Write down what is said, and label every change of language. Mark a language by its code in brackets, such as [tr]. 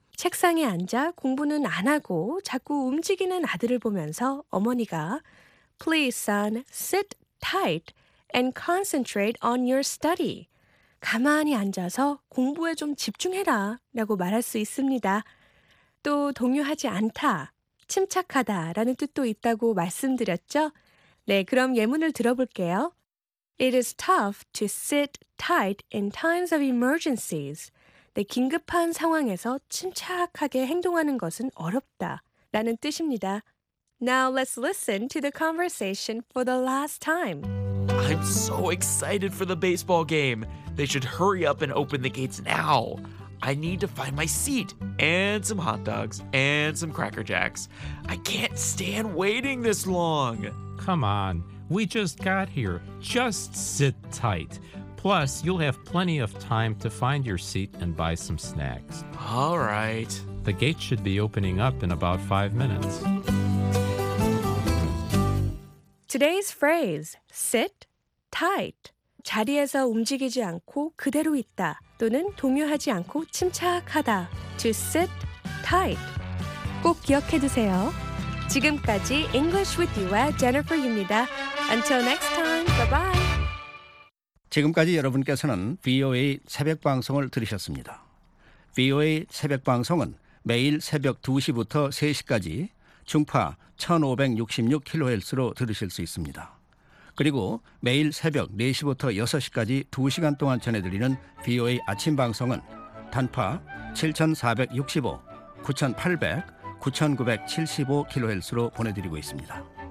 [ko] 책상에 앉아 공부는 안 하고 자꾸 움직이는 아들을 보면서 어머니가 [en] Please, son, sit tight and concentrate on your study. [ko] 가만히 앉아서 공부에 좀 집중해라 라고 말할 수 있습니다. 또 동요하지 않다, 침착하다 라는 뜻도 있다고 말씀드렸죠? 네, 그럼 예문을 들어볼게요. [en] It is tough to sit tight in times of emergencies. [ko] 네, 긴급한 상황에서 침착하게 행동하는 것은 어렵다 라는 뜻입니다. [en] Now let's listen to the conversation for the last time. I'm so excited for the baseball game. They should hurry up and open the gates now. I need to find my seat and some hot dogs and some Cracker Jacks. I can't stand waiting this long. Come on, we just got here. Just sit tight. Plus, you'll have plenty of time to find your seat and buy some snacks. All right. The gate should be opening up in about 5 minutes. Today's phrase, sit tight. [ko] 자리에서 움직이지 않고 그대로 있다. 또는 동요하지 않고 침착하다. [en] To sit tight. [ko] 꼭 기억해 두세요. 지금까지 English with you와 Jennifer입니다. [en] Until next time, bye-bye. [ko] 지금까지 여러분께서는 VOA 새벽 방송을 들으셨습니다. VOA 새벽 방송은 매일 새벽 2시부터 3시까지 중파 1566kHz로 들으실 수 있습니다. 그리고 매일 새벽 4시부터 6시까지 2시간 동안 전해드리는 VOA 아침 방송은 단파 7465, 9800, 9975kHz로 보내드리고 있습니다.